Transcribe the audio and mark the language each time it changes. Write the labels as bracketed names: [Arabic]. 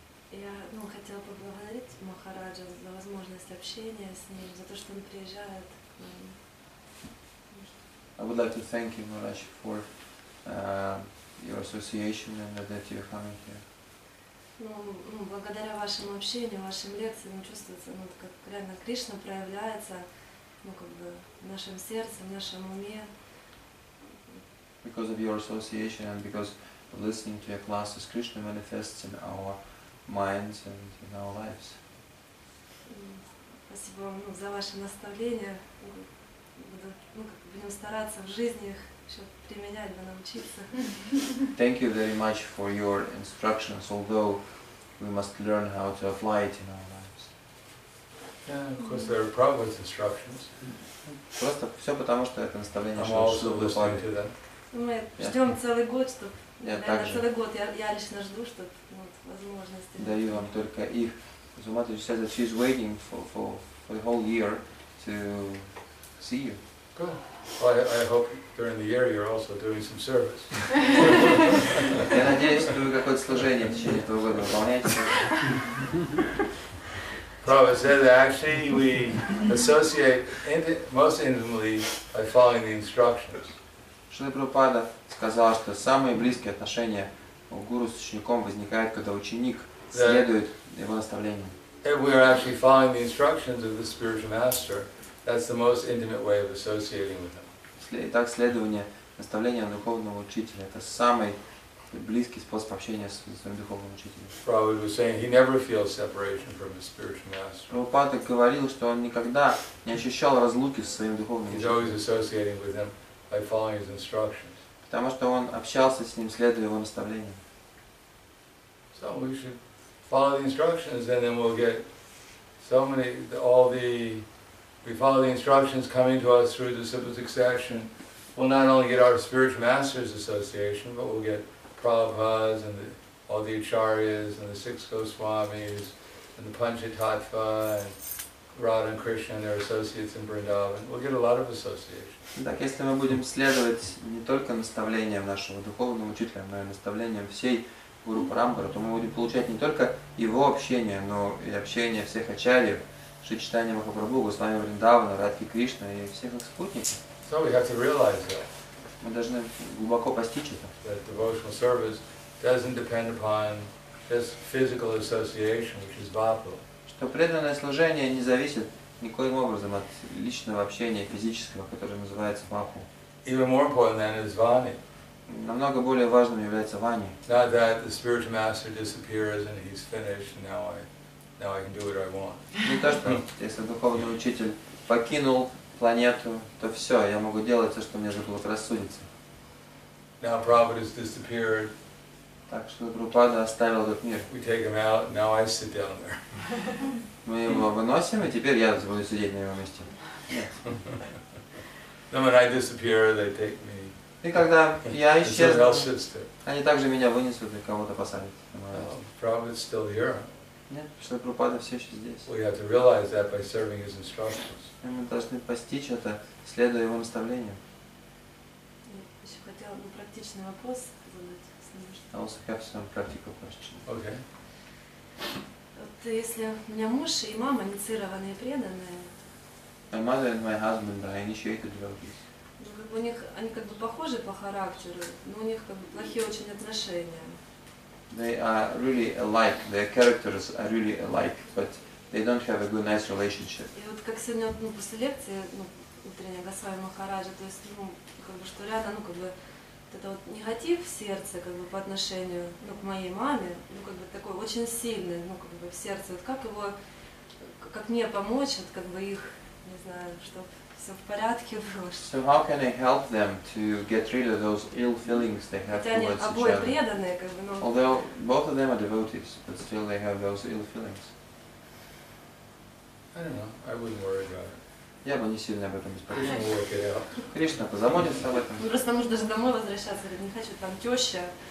[Russian] Я хотела поблагодарить Махараджа за возможность общения с ним, за то, что он приезжает к нам. [English] I would like to thank you, Maharaj, for your association and that you're coming here. [Russian] Ну, благодаря вашему общению, вашим лекциям, чувствуется, как реально Кришна проявляется, в нашем сердце, в нашем уме. [English] Because of your association and because of listening to your classes, Krishna manifests in our minds and in our lives. [Russian] Спасибо вам за ваше наставление. Буду, будем стараться в жизни их еще применять, да научиться. [English] Thank you very much for your instructions, although we must learn how to apply it in our lives. Yeah, of course there are Prabhupada's instructions. [Russian] Просто все потому, что это наставление. [English] I'm also listening to them. [Russian] Мы ждем целый год, целый год я лично жду, возможности. Даю вам только их. Зумати говорит, что [English] she's waiting for the whole year to see you. Cool. Well, I hope during the year you're also doing some service. [Russian] Я надеюсь, что вы какое-то служение в течение этого года выполняете. [English] Prabhupada said that actually we associate most intimately by following the instructions. [Russian] Шри Прабхупада сказал, что самые близкие отношения у гуру с учеником возникают, когда ученик следует его наставлениям. [English] If we are actually following the instructions of the spiritual master, that's the most intimate way of associating with him. [Russian] Итак, следование наставления духовного учителя – это самый близкий способ общения с своим духовным учителем. [English] Prabhupada was saying he never feels separation from his spiritual master. [Russian] Прабхупада говорил, что он никогда не ощущал разлуки со своим духовным учителем. [English] He's always associating with him by following his instructions. [Russian] Потому что он общался с ним, следуя его наставлениям. [English] So we should follow the instructions, and then we'll get so many, all the, we follow the instructions coming to us through the simple succession. We'll not only get our spiritual master's association, but we'll get Prabhupada's and all the Acharyas and the six Goswamis and the Panchatattva and Radha and Krishna and their associates in Vrindavan. We'll get a lot of association. [Russian] Так, если мы будем следовать не только наставлениям нашего духовного учителя, но и наставлениям всей Гуру Парамбара, то мы будем получать не только его общение, но и общение всех Ачарьев, Шри Чайтанья Махапрабху, Госвами Вриндавана, Радхи Кришна и всех их спутников. [English] So we have to realize that. [Russian] Мы должны глубоко постичь это. [English] That devotional service doesn't depend upon just physical association, which is bhava. [Russian] Что преданное служение не зависит никоим образом от личного общения физического, которое называется бхава. [English] Even more important than is vani. [Russian] Намного более важным является вани. [English] Not that the spiritual master disappears and he's finished and now I can do what I want. [Russian] Не то, что если духовный учитель покинул планету, то все, я могу делать все, что мне заблагорассудится. [English] Now Prabhupada has disappeared. [Russian] Так что Прабхупада оставил этот мир. [English] We take him out, now I sit down there. [Russian] Мы его выносим, и теперь я буду сидеть на его месте. [English] Then when I disappear, they take me. [Russian] И когда я исчезну, они также меня вынесут и кого-то посадят. [English] Prabhupada is still here. [Russian] Нет, что Прабхупада все еще здесь. [English] We have to realize that by serving his instructions. [Russian] И мы должны постичь это, следуя его наставлениям. Я еще хотела бы практичный вопрос задать. [English] I also have some practical questions. Okay. [Russian] Вот если у меня муж и мама инициированные и преданные. [English] My mother and my husband are initiated devotees. [Russian] Ну, как бы у них, они как бы похожи по характеру, но у них как бы плохие очень отношения. [English] They are really alike, their characters are really alike, but they don't have a good, nice relationship. [Russian] И вот как сегодня, ну, после лекции, ну, утренняя Госвами Махараджа, то есть, ну, как бы, что рядом, ну, как бы, вот это вот негатив в сердце, как бы, по отношению, ну, к моей маме, ну, как бы, такой очень сильный, ну, как бы, в сердце, вот как его, как мне помочь, вот, как бы, их, не знаю, чтоб все в порядке было. [English] So how can I help them to get rid of those ill feelings they have towards each other? [Russian] Хотя они обои преданные, как бы, ну. [English] Although both of them are devotees, but still they have those ill feelings. I don't know. I wouldn't worry about it. [Russian] Я бы не сильно об этом беспокоился. [English] Krishna will work it out. [Russian] Кришна позаботится об этом. Ну просто нужно же домой возвращаться, я не хочу там теща.